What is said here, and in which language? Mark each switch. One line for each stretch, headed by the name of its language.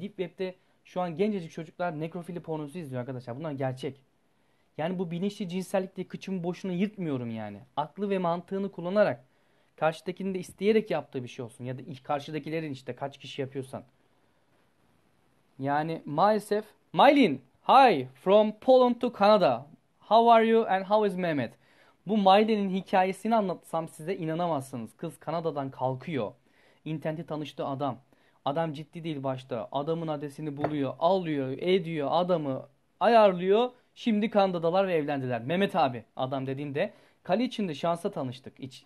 Turkish: Deep Web'de şu an gencecik çocuklar nekrofili pornosu izliyor arkadaşlar. Bunlar gerçek. Yani bu bilinçli cinsellik diye kıçımı boşuna yırtmıyorum yani. Aklı ve mantığını kullanarak karşıdakinin de isteyerek yaptığı bir şey olsun. Ya da karşıdakilerin işte kaç kişi yapıyorsan. Yani maalesef.
English: Mylin, hi from Poland to Canada. How are you and how is Mehmet?
Turkish: Bu Mylin'in hikayesini anlatsam size inanamazsınız. Kız Kanada'dan kalkıyor. İnterneti tanıştığı adam. Adam ciddi değil başta. Adamın adresini buluyor, alıyor, ediyor, adamı ayarlıyor. Şimdi Kanada'dalar ve evlendiler. Mehmet abi adam dediğinde kale içinde şansa tanıştık.